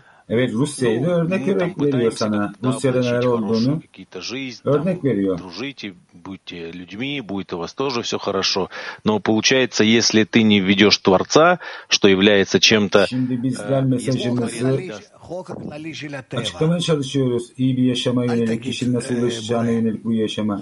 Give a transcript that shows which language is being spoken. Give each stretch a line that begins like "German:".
Turkish: Evet, Rusya'yı da örnek olarak veriyor sana. Rusya'da neler olduğunu örnek veriyor.
Russian: Будьте людьми, будет у вас тоже все хорошо. Но получается, если ты не введешь Творца, что является чем-то...
Turkish: Şimdi bizler mesajımızı açıklamaya çalışıyoruz. İyi bir yaşama yönelik, kişinin nasıl ulaşacağına yönelik bu yaşama.